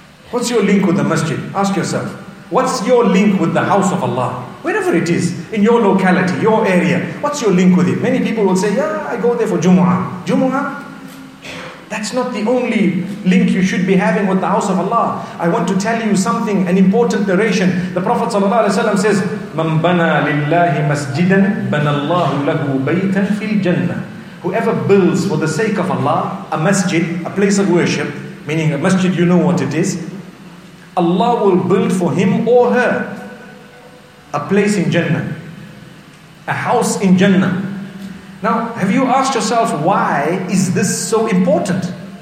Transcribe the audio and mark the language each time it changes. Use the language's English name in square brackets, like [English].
[English] What's your link with the masjid? Ask yourself. What's your link with the house of Allah? Wherever it is, in your locality, your area, what's your link with it? Many people will say, yeah, I go there for Jumu'ah. Jumu'ah? That's not the only link you should be having with the house of Allah. I want to tell you something, an important narration. The Prophet ﷺ says, [Arabic] مَنْ بَنَى لِلَّهِ مَسْجِدًا بَنَى اللَّهُ لَهُ بَيْتًا فِي الْجَنَّةِ. [English] Whoever builds for the sake of Allah a masjid, a place of worship, meaning a masjid, you know what it is, Allah will build for him or her a place in Jannah, a house in Jannah. Now, have you asked yourself, why is this so important?